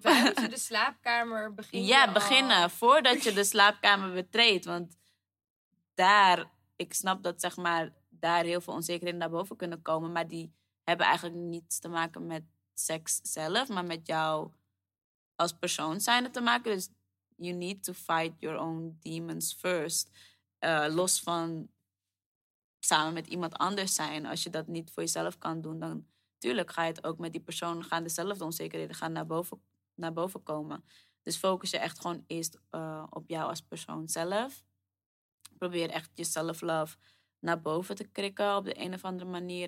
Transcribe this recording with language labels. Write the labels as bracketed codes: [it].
[nl] Voordat je de slaapkamer begint. Ja, beginnen. Al. Voordat je de slaapkamer betreedt. Want daar, ik snap dat zeg maar, daar heel veel onzekerheden naar boven kunnen komen. Maar die hebben eigenlijk niets te maken met seks zelf. Maar met jou als persoon zijn het te maken. Dus [en] you need to fight your own demons first. [nl] Los van samen met iemand anders zijn. Als je dat niet voor jezelf kan doen, dan tuurlijk ga je het ook met die persoon, gaan dezelfde onzekerheden gaan naar boven komen. Dus focus je echt gewoon eerst op jou als persoon zelf. Probeer echt je self-love naar boven te krikken op de een of andere manier.